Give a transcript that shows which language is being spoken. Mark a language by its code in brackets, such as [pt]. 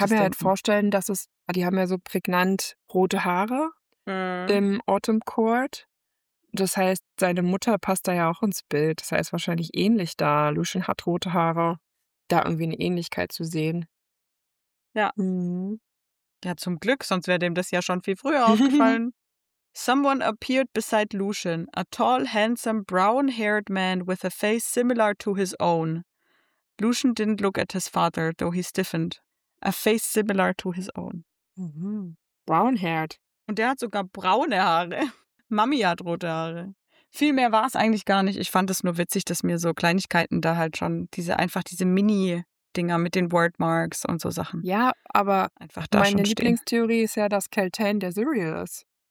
[de] Denken? Ich kann mir halt vorstellen, dass es, die haben ja so prägnant rote Haare im Autumn Court. Das heißt, seine Mutter passt da ja auch ins Bild. Das heißt, wahrscheinlich ähnlich da. Lucian hat rote Haare. Da irgendwie eine Ähnlichkeit zu sehen. Ja. Ja, zum Glück, sonst wäre dem das ja schon viel früher aufgefallen. [en] Someone appeared beside Lucian, a tall, handsome, brown-haired man with a face similar to his own. Lucian didn't look at his father, though he stiffened. A face similar to his own. Mm-hmm. Brown-haired. [de] Und der hat sogar braune Haare. Mami hat rote Haare. Viel mehr war es eigentlich gar nicht. Ich fand es nur witzig, dass mir so Kleinigkeiten da halt schon, diese Mini-Dinger mit den Wordmarks und so Sachen. Ja, aber einfach da meine Lieblingstheorie ist ja, dass Kel'Thaen der Sirius ist.